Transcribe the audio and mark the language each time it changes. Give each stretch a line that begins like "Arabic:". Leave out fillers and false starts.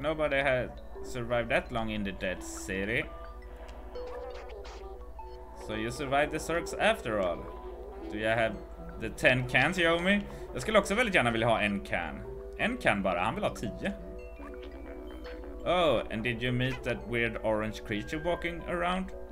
English: Nobody has survived that long in the dead city. So you survived the Zergs after all. Do you have the 10 cans you owe me?
Swedish: Jag skulle också väldigt gärna vilja ha en can. En can bara, han vill ha 10.
English: Oh, and did you meet that weird orange creature walking around?